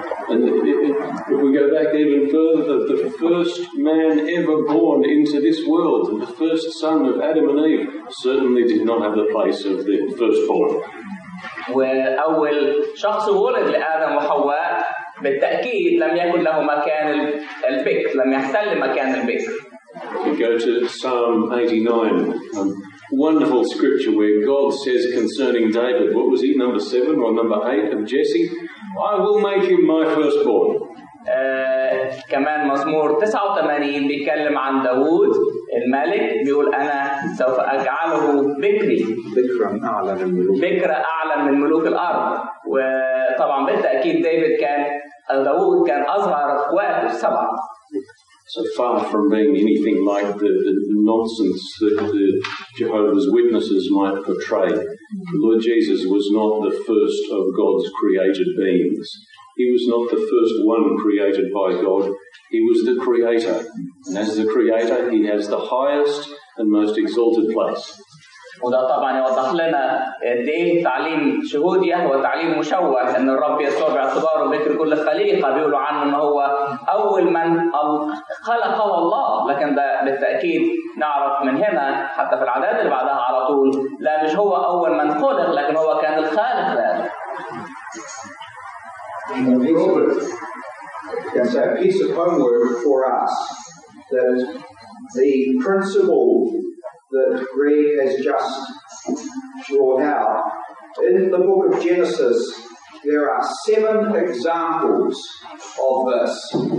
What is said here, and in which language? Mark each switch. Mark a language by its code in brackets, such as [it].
[en] And if we go back even further, the first man ever born into this world, the first son of Adam and Eve, certainly did not have the place of the firstborn. [ar] وأول شخص ولد لآدم وحواء بالتأكيد لم يكن له مكان البكر، لم يحتل مكان البكر. [en] We go to Psalm 89, wonderful scripture where God says concerning David, what was he, number 7 or number 8 of Jesse? I will make him my firstborn. [ar] كمان مزمور 89 بيتكلم عن داود الملك بيقول أنا سوف أجعله بكري. بكرا أعلى من ملوك. بكرا أعلى من ملوك الأرض. وطبعا بالتأكيد ديفيد كان داود كان أصغر أخواته السبعة. [en] So far from being anything like the nonsense that the Jehovah's Witnesses might portray, the Lord Jesus was not the first of God's created beings. He was not the first one created by God. He was the Creator. And as the Creator, He has the highest and most exalted place. [ar] وده طبعا يوضح لنا ده تعليم شهودية هو تعليم مشوه ان الرب يسوع باعتباره بكر كل خليقة بيقولوا عنه ان هو اول من خلقه الله لكن ده بالتأكيد نعرف من هنا حتى في العادات اللي بعدها على طول لا مش هو اول من خلق لكن هو كان الخالق ذلك. [en] And that's a piece of homework for us that the principle that Greg has just drawn out. In the book of Genesis, there are 7 examples of this.